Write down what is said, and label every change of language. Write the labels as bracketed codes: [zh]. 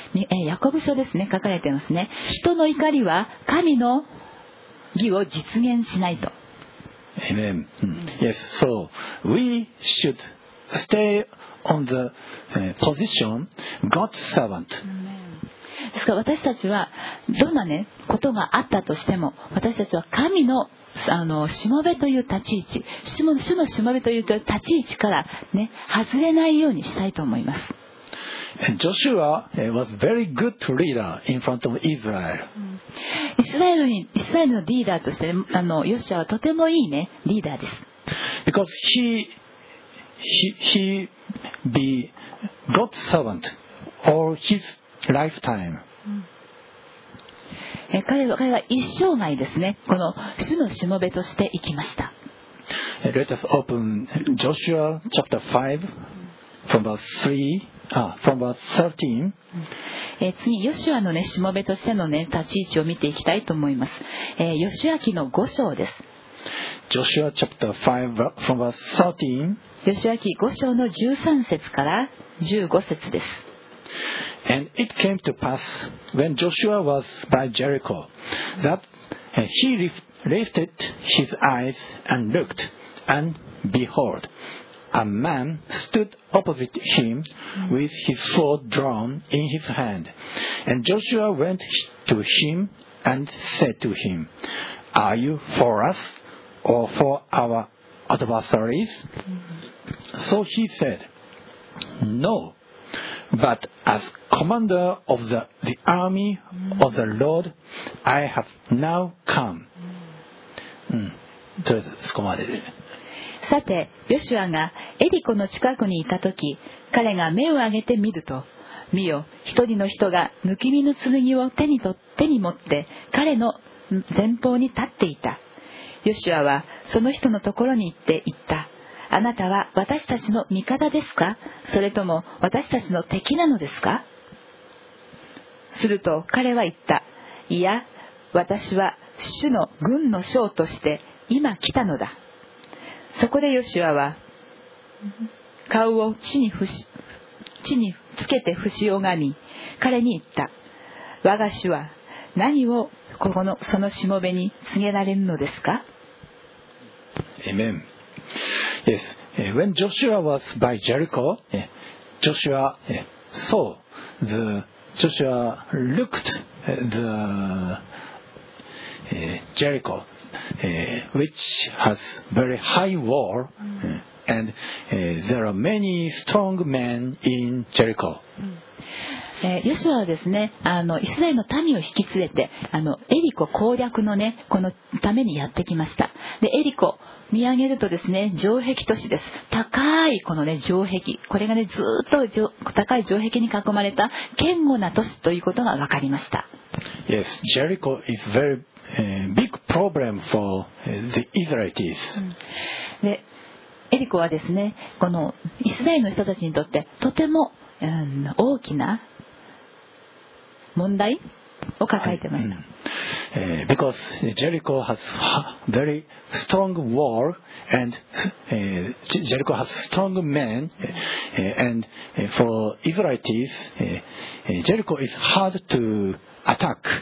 [ja] ヤコブ書ですね、書かれてますね。人の怒りは神の義を実現しないと。 [en] Amen. Yes. So we should stay on the position God's servant. [ja] ですから私たちはどんなねことがあったとしても、私たちは神のしもべという立ち位置、主のしもべという立ち位置からね外れないようにしたいと思います。 [en] Joshua was very good leader in front of Israel. [ja] イスラエルのリーダーとして、ヨシュアはとてもいいね、リーダーです。 [en] Because he be God's servant all his lifetime. [ja] 彼は一生涯ですね、この主のしもべとして生きました。 [en] Let us open Joshua chapter 5. From verse 3, from verse 13. [ja] 次ヨシュアのね、しもべとしてのね、立ち位置を見ていきたいと思います。ヨシュア記の5章です。 [en] Joshua chapter 5, from verse 13. [ja] ヨシュア記5章の13節から15節です。 [en] And it came to pass when Joshua was by Jericho that he lifted his eyes and looked, and behold. A man stood opposite him with his sword drawn in his hand. And Joshua went to him and said to him, Are you for us or for our adversaries? So he said, No, but as commander of the army of the Lord, I have now come. [ja] とりあえずそこまでで。さて、ヨシュアがエリコの近くにいたとき、彼が目を上げてみると、見よ、一人の人が抜き身の剣を手に持って彼の前方に立っていた。ヨシュアはその人のところに行って言った。あなたは私たちの味方ですか？それとも私たちの敵なのですか？すると彼は言った。いや、私は主の軍の将として今来たのだ。そこでヨシュアは顔を地につけて伏し拝み、彼に言った。我が主は何をここのそのしもべに告げられるのですか？ [en] Amen. Yes. When Joshua was by Jericho, Joshua saw the Joshua looked the Jericho, which has very high wall, and there are many strong men in Jericho. [ja] ヨシュアはですね、イスラエルの民を引き連れて、エリコ攻略のね、このためにやってきました。で、エリコ、見上げるとですね、城壁都市です。高いこのね、城壁。これがね、ずっと高い城壁に囲まれた、堅固な都市ということが分かりました。 [en] Yes, Jericho is very big problem for the Israelites. [ja] で、エリコはですね、このイスラエルの人たちにとって、とても、大きな、問題を抱えてました。 [en] Because Jericho has very strong wall and Jericho has strong men and for Israelites Jericho is hard to attack.